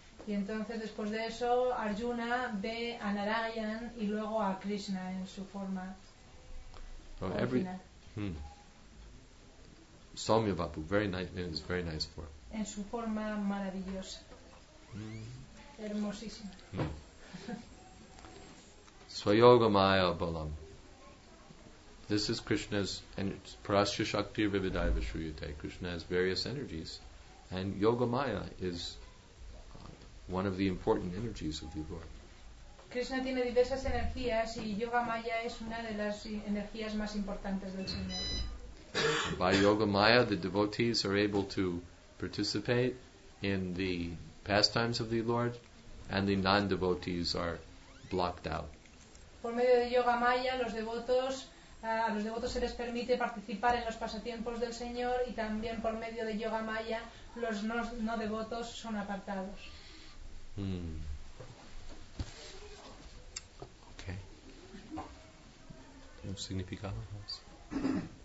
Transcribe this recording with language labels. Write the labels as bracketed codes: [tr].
[es] Y entonces después de eso Arjuna ve a Narayan y luego a Krishna en su forma original. [en] Soumya Babu, very nice, it's very nice form. [es] En su forma maravillosa. Hermosísima. [sa] Swayoga Maya Balam. [en] This is Krishna's [sa] Parasya Shakti Vividaiva Shruyate. [en] Krishna has various energies. And Yoga Maya is one of the important energies of the Lord. [es] Krishna tiene diversas energías y Yoga Maya es una de las energías más importantes del Señor. [en] By Yoga Maya, the devotees are able to participate in the pastimes of the Lord, and the non-devotees are blocked out. [es] Por medio de Yoga Maya, a los devotos se les permite participar en los pasatiempos del Señor, y también por medio de Yoga Maya, los no-devotos son apartados. [en] Okay. [es] ¿Tiene un significado más?